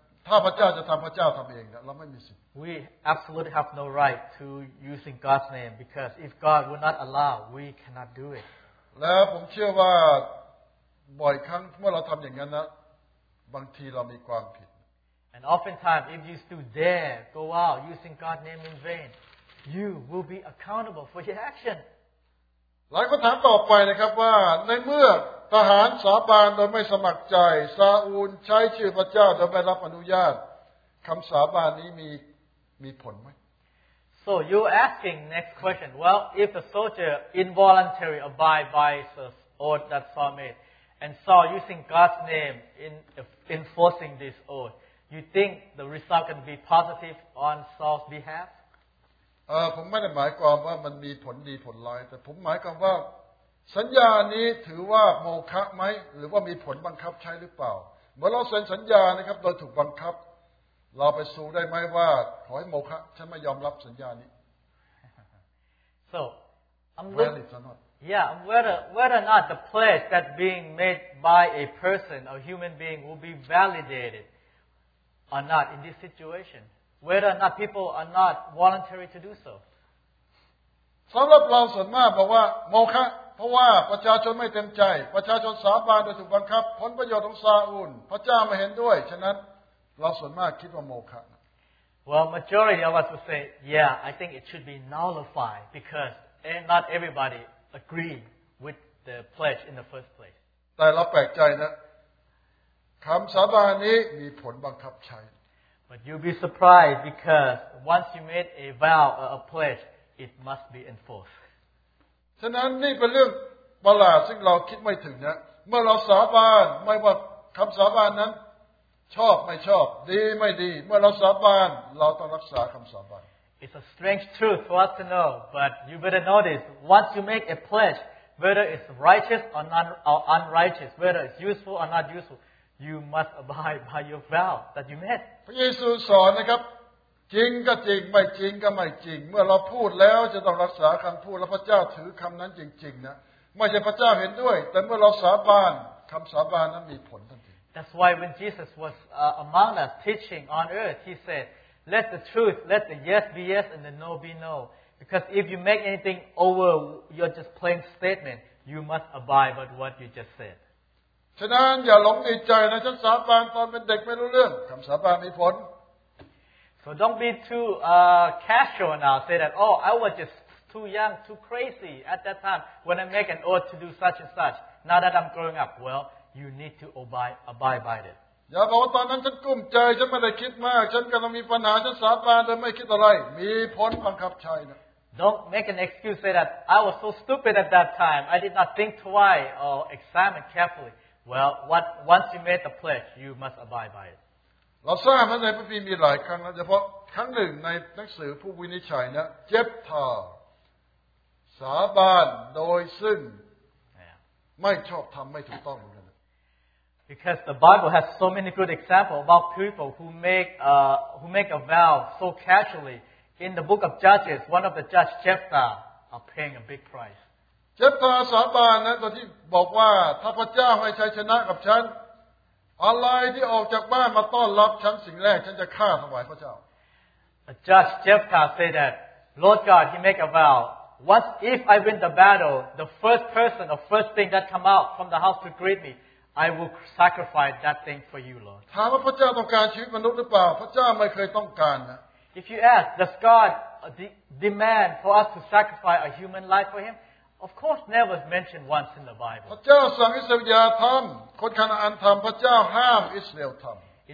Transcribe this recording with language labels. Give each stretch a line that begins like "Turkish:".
Thai: ถ้าพระเจ้าจะทำพระเจ้าทำเองเราไม่มีสิทธิ์
English: We absolutely have no right to using God's name because if God would not allow we cannot do it
Thai: แล้วผมเชื่อว่าบ่อยครั้งเมื่อเราทำอย่างนั้นนะบางทีเรามีความผิด
English: And oftentimes if you still dare go out using God's name in vain you will be accountable for your action
Thai: หลายคนถามต่อไปนะครับว่าในเมื่อทหารสาบานโดยไม่สมัครใจซาอูลใช้ชื่อพระเจ้าโดยไม่รับอนุญาตคำสาบานนี้มีผลไหม
English: So you're asking next question. Well, if the soldier involuntarily abide by the oath that Saul made and Saul using God's name in enforcing this oath, you think the result can be positive on Saul's behalf?
Thai: ผมไม่ได้หมายความว่ามันมีผลดีผลร้ายแต่ผมหมายความว่าสัญญานี้ถือว่าโมฆะไหมหรือว่ามีผลบังคับใช้หรือเปล่าเมื่อเราเซ็นสัญญานะครับโดยถูกบังคับเราไปสู้ได้ไหมว่าขอให้โมฆะฉันไม่ยอมรับสัญญานี้
English: So whether or not the pledge that being made by a person a human being will be validated or not in this situation whether or not people are not voluntary to do so
Thai: สำหรับเราส่วนมากบอกว่าโมฆะเพราะว่าประชาชนไม่เต็มใจประชาชนสาบานโดยถูกบังคับผลประโยชน์ของซาอูลพระเจ้าไม่เห็นด้วยฉะนั้นเราส่วนมากคิดว่าโมฆะ
English: Well majority of us would say yeah I think it should be nullified because not everybody agreed with the pledge in the first place
Thai: แต่เราแปลกใจนะคำสาบานนี้มีผลบังคับใช้
English: But you'll be surprised because once you made a vow or a pledge it must be enforced
Thai: ฉะนั้นนี่เป็นเรื่องประหลาดซึ่งเราคิดไม่ถึงนะเมื่อเราสาบานไม่ว่าคำสาบานนั้นชอบไม่ชอบดีไม่ดีเมื่อเราสาบานเราต้องรักษาคำสาบาน
English: It's a strange truth for us to know but you better know this once you make a pledge whether it's righteous or unrighteous whether it's useful or not useful you must abide by your vow that you made
Thai: พระเยซูสอนนะครับจริงก็จริงไม่จริงก็ไม่จริงเมื่อเราพูดแล้วจะต้องรักษาคำพูดแล้วพระเจ้าถือคำนั้นจริงๆนะไม่ใช่พระเจ้าเห็นด้วยแต่เมื่อเราสาบานคำสาบานนั้นมีผลทันที
English: That's why when Jesus was among us teaching on earth he said let the truth let the yes be yes and the no be no because if you make anything over your just plain statement you must abide by what you just said
Thai: ฉะนั้นอย่าหลงใจนะฉันสาบานตอนเป็นเด็กไม่รู้เรื่องคำสาบานมีผล
English: So don't be too casual now. Say that, oh, I was just too young, too crazy at that time when I make an oath to do such and such. Now that I'm growing up, well, you need to abide by it.
Thai: อย่าบอกว่าตอนนั้นฉันกุ้มใจฉันไม่ได้คิดมากฉันกำลังมีปัญหาฉันสาบานโดยไม่คิดอะไรมีผลบังคับใช้นะ
English: Don't make an excuse. Say that I was so stupid at that time. I did not think twice or examine carefully. Well, once you made the pledge, you must abide by it.
Thai: เราทราบว่าในพระคัมภีร์มีหลายครั้งแล้วเฉพาะครั้งหนึ่งในหนังสือผู้วินิจฉัยเนี่ยเจฟทาสาบานโดยซึ่งไม่ชอบทำไม่ถูกต้องเหมือนกัน
English: Because the Bible has so many good examples about people who make a vow so casually in the book of Judges one of the judges Jephthah are paying a big price
Thai: เจฟทาสาบานนะตอนที่บอกว่าถ้าพระเจ้าให้ชัยชนะกับฉันอะไรที่ออกจากบ้านมาต้อนรับฉันสิ่งแรกฉันจะฆ่าถวายพระเจ้า
English: A judge Jephthah said that Lord God he make a vow what if I win the battle the first person or first thing that come out from the house to greet me I will sacrifice that thing for you Lord
Thai: ถามว่าพระเจ้าต้องการชีวิตมนุษย์หรือเปล่าพระเจ้าไม่เคยต้องการนะ
English: If you ask does God demand for us to sacrifice a human life for him Of course, never mentioned once in the Bible.
Thai: พระเจ้าสั่งอิสราเอลอย่าทำคนคานาอันทำพระเจ้าห้ามอิสราเอลทำ